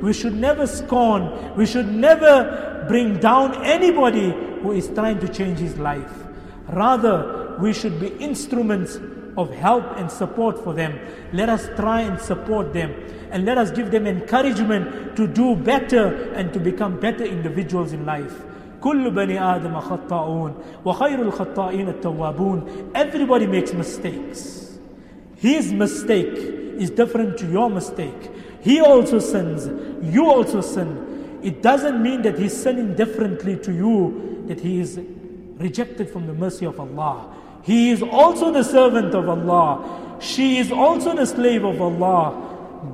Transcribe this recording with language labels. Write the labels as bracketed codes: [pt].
[en] We should never scorn. We should never bring down anybody who is trying to change his life. Rather, we should be instruments of help and support for them. Let us try and support them, and let us give them encouragement to do better and to become better individuals in life. [ar] كل بني آدم خطاؤون وخير الخطائين التوابون. [en] Everybody makes mistakes. His mistake is different to your mistake. He also sins. You also sin. It doesn't mean that he's sinning differently to you, that he is rejected from the mercy of Allah. He is also the servant of Allah. She is also the slave of Allah.